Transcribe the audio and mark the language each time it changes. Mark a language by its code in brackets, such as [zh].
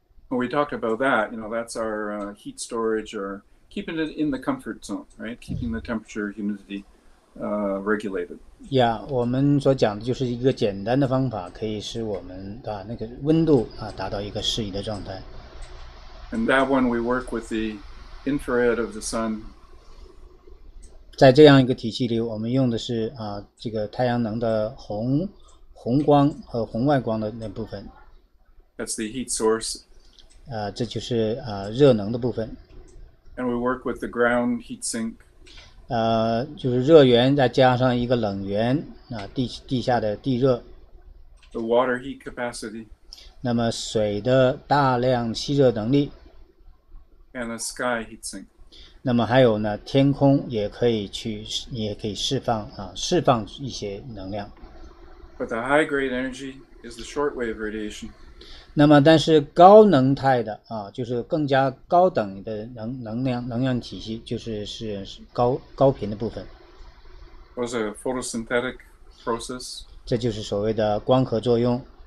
[en] When we talk about that, you know, that's our heat storage or keeping it in the comfort zone, right? Keeping the temperature, humidity regulated. [zh] Yeah, 我们所讲的就是一个简单的方法，可以使我们把那个温度啊达到一个适宜的状态。 [en] And that one we work with the infrared of the sun. [zh] 在这样一个体系里，我们用的是啊这个太阳能的红光和红外光的那部分。 [en] That's the heat source. [zh] 这就是热能的部分。 [en] And we work with the ground heat sink. [zh] 就是热源再加上一个冷源，地下的地热。 [en] The water heat capacity. [zh] 那么水的大量吸热能力。 [en] And the sky heat sink. [zh] 那么还有呢，天空也可以去，也可以释放一些能量。 [en] But the high grade energy is the short wave radiation. [zh] 那么但是高能态的就是更加高等的 能量体系，就 是 高频的部分。 [en] Was a photosynthetic process. [zh] 这就是所谓的光合作用。